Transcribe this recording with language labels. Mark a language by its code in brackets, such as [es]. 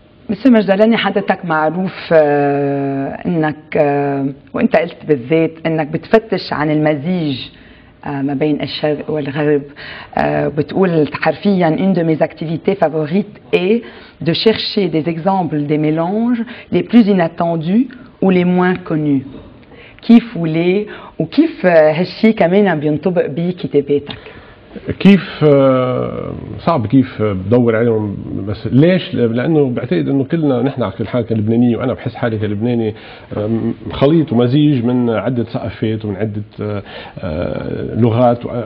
[ar] مستر مجدلاني، حضرتك معروف أنك وأنت قلت بالذات أنك بتفتش عن المزيج ما بين الشرق والغرب. بتقول حرفيا [fr] une de mes activités favorites est de chercher des exemples des mélanges les plus inattendus ou les moins connus. [ar] كيف ولي وكيف هالشيء كمان بينطبق بكتاباتك؟ كيف صعب كيف بدور عليهم، بس ليش؟ لانه بعتقد انه كلنا نحن على كل حال كلبناني، وانا بحس حالي كلبناني خليط ومزيج من عده ثقافات ومن عده لغات.